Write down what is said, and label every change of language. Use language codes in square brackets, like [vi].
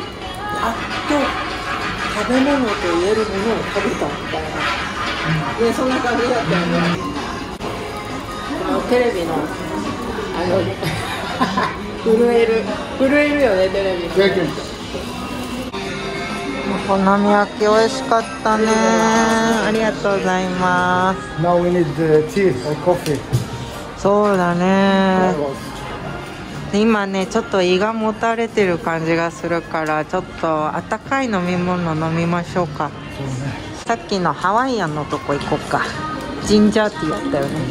[ja] やっと食べ物と言えるものを食べたみたいな、ね、そんな感じだったよね。テレビのあの震えるよね、テレビの。お好み焼き美味しかったね。ありがとうございます。 [en] Now we need the tea or coffee. [ja] そうだね、今ね、ちょっと胃がもたれてる感じがするから、ちょっと温かい飲み物飲みましょうか。そうね、さっきのハワイアンのとこ行こうか。ジンジャーティーあったよね。